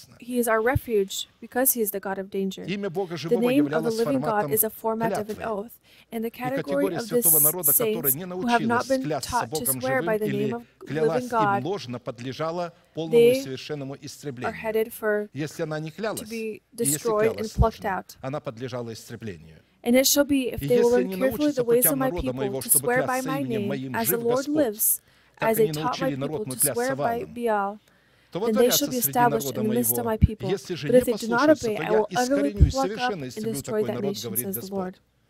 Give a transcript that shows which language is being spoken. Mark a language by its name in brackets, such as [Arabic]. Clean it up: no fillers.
[English] He is our refuge because he is the God of danger. The name of the living God is a format of an oath, and the category of this saints who have not been taught to swear by the name of living God, [Russian] полному и совершенному истреблению. Если она не клялась, если клялась, она подлежала истреблению. [English] And it shall be, if they will learn carefully the ways of my people to swear by my name, as the Lord lives, as they taught my people to swear by Baal, then they shall be established in the midst of my people. But if they do not obey, I will utterly pluck up and destroy that nation, says the Lord.